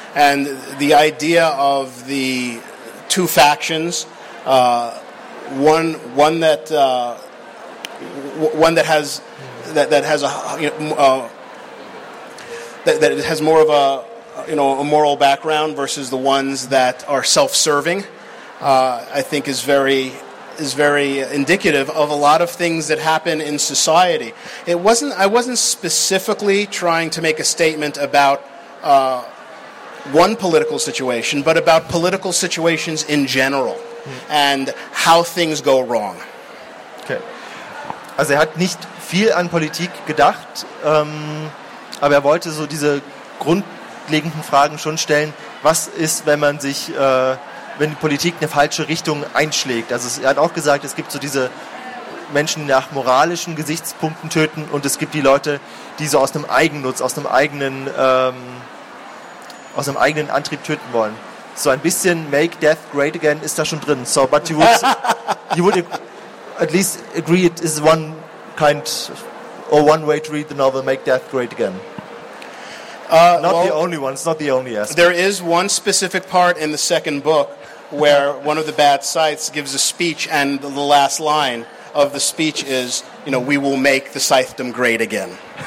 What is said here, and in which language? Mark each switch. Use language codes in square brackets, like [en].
[en] And the idea of the two factions, one that has more of a, you know, a moral background versus the ones that are self-serving, I think is very indicative of a lot of things that happen in society. I wasn't specifically trying to make a statement about one political situation, but about political situations in general and how things go wrong. Okay. [de] Also er hat nicht viel an Politik gedacht, aber er wollte so diese grundlegenden Fragen schon stellen. Was ist, wenn man sich, wenn die Politik eine falsche Richtung einschlägt? Also er hat auch gesagt, es gibt so diese Menschen, die nach moralischen Gesichtspunkten töten, und es gibt die Leute, die so aus einem Eigennutz, aus einem eigenen Antrieb töten wollen. So ein bisschen [en] Make Death Great Again [de] ist da schon drin. [en] So, but you would at least agree it is one kind or one way to read the novel, Make Death Great Again. It's not the only aspect. There is one specific part in the second book where one of the bad scythes gives a speech, and the last line of the speech is, you know, we will make the scythedom great again.